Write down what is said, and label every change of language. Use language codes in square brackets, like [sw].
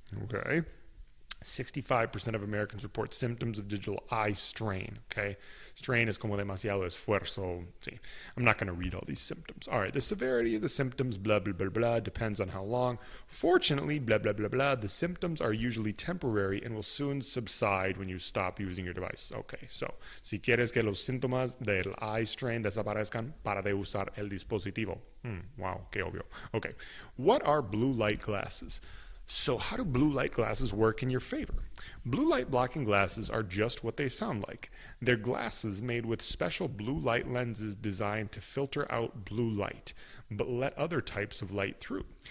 [en] Okay. 65% of Americans report symptoms of digital eye strain, okay? Strain is [es] como demasiado esfuerzo. Sí. [en] I'm not going to read all these symptoms. All right, the severity of the symptoms, blah, blah, blah, blah, depends on how long. Fortunately, blah, blah, blah, blah, the symptoms are usually temporary and will soon subside when you stop using your device. Okay, so, [es] si quieres que los síntomas del eye strain desaparezcan, para de usar el dispositivo. [en] Wow, [es] qué obvio. [en] Okay, what are blue light glasses? So how do blue light glasses work in your favor? Blue light blocking glasses are just what they sound like. They're glasses made with special blue light lenses designed to filter out blue light, but let other types of light through.